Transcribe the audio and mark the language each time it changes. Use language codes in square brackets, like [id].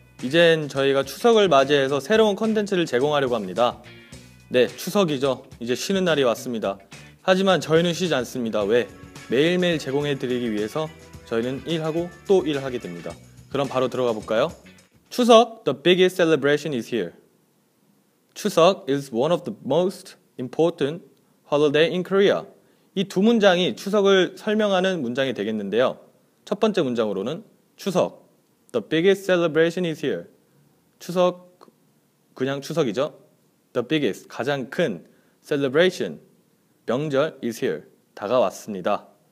[ko] 이젠 저희가 추석을 맞이해서 새로운 컨텐츠를 제공하려고 합니다. 네, 추석이죠. 이제 쉬는 날이 왔습니다. 하지만 저희는 쉬지 않습니다. 왜? 매일매일 제공해드리기 위해서 저희는 일하고 또 일하게 됩니다. 그럼 바로 들어가 볼까요? [en] 추석, the biggest celebration is here. 추석 is one of the most important holiday in Korea. [ko] 이 두 문장이 추석을 설명하는 문장이 되겠는데요. 첫 번째 문장으로는 [en] 추석, the biggest celebration is here. [ko] 추석, 그냥 추석이죠. [en] The biggest, [ko] 가장 큰 [en] celebration, [ko] 명절 [en] is here, [ko] 다가왔습니다.